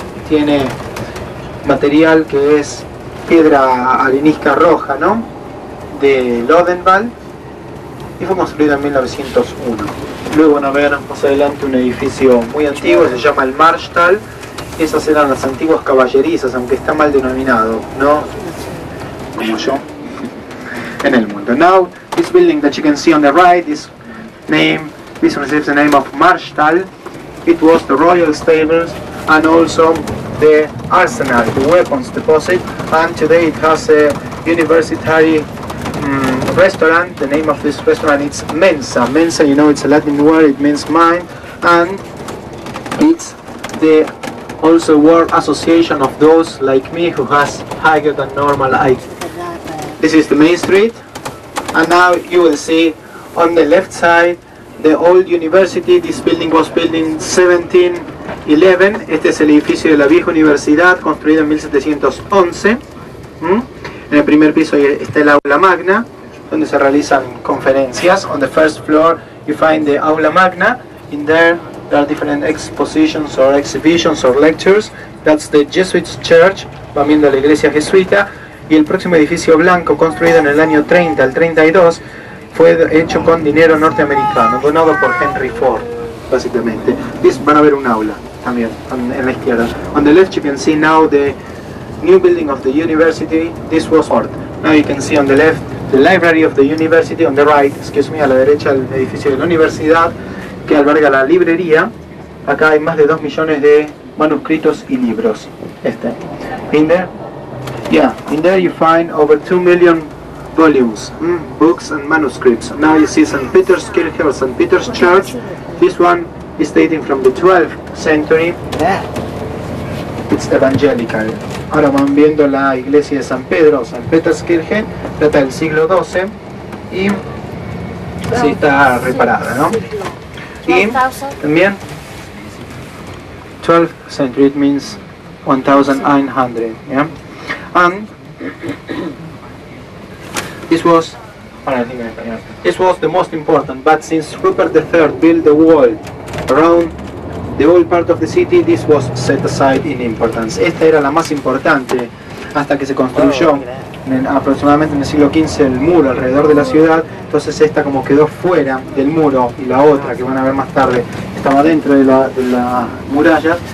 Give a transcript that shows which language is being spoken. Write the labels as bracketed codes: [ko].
[es] Tiene material que es piedra arenisca roja, ¿no? De Odenwald. Y fue construido en 1901. Luego van a ver más adelante un edificio muy antiguo, se llama el Marstall. Esas eran las antiguas caballerizas, aunque está mal denominado, ¿no? Como yo, en el mundo. [en] Now, this building that you can see on the right, this receives the name of Marstall. It was the royal stables and also the arsenal, the weapons deposit. And today it has a university restaurant. The name of this restaurant is Mensa. Mensa, you know, it's a Latin word, it means mind. And it's the also World Association of those like me who has higher than normal height. This is the main street, and now you will see on the left side the old university. This building was built in 1711. [es] Este es el edificio de la vieja universidad, construido en 1711. En el primer piso está el aula magna, donde se realizan conferencias. [en] On the first floor you find the aula magna. In there are different expositions or exhibitions or lectures. That's the Jesuit Church, [es] también de la Iglesia Jesuita. Y el próximo edificio blanco, construido en el año 30 al 32, fue hecho con dinero norteamericano, donado por Henry Ford, básicamente. Van a ver un aula también, en la izquierda. [en] On the left you can see now the new building of the university. This was Ford. Now you can see on the left the library of the university, on the right, excuse me, [es] a la derecha el edificio de la universidad, que alberga la librería. Acá hay más de 2 millones de manuscritos y libros. [en] Este. In there? Yeah, in there you find over 2 million volumes, books and manuscripts. Now you see St. Peter's Kirche or St. Peter's Church. This one is dating from the 12th century. It's evangelical. [es] Ahora van viendo la iglesia de San Pedro, San Peter's Kirche, data del siglo XII y sí está reparada, ¿no? Y también [en] 12th century, it means 1900, yeah? And this was the most important, but since Rupert III built the wall around the old part of the city, this was set aside in importance. [es] Esta era la más importante hasta que se construyó aproximadamente en el siglo XV el muro alrededor de la ciudad. Entonces esta como quedó fuera del muro y la otra que van a ver más tarde estaba dentro de la muralla.